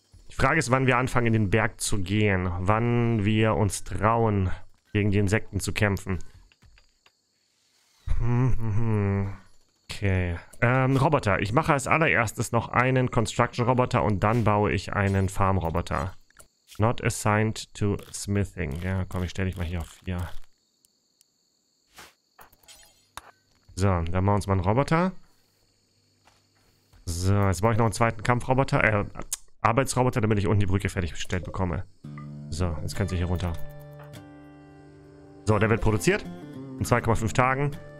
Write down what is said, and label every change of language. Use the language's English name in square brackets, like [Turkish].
[German] Die Frage ist, wann wir anfangen, in den Berg zu gehen. Wann wir uns trauen, gegen die Insekten zu kämpfen. Okay. Roboter. Ich mache als allererstes noch einen Construction-Roboter und dann baue ich einen Farm-Roboter. [English] Not assigned to smithing. [German] Ja, komm, ich stelle dich mal hier auf 4. So, dann machen wir uns mal einen Roboter. So, jetzt brauche ich noch einen zweiten Kampfroboter, Arbeitsroboter, damit ich unten die Brücke fertiggestellt bekomme. So, jetzt kannst du hier runter. So, der wird produziert. In 2,5 Tagen.